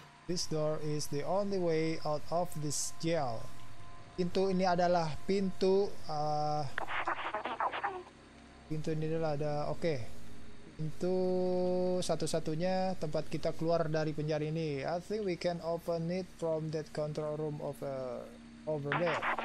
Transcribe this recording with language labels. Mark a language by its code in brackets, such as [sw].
[en] This door is the only way out of this jail. [id] Pintu ini adalah pintu pintu ini adalah ada oke. Pintu satu-satunya tempat kita keluar dari penjara ini. [en] I think we can open it from that control room over there.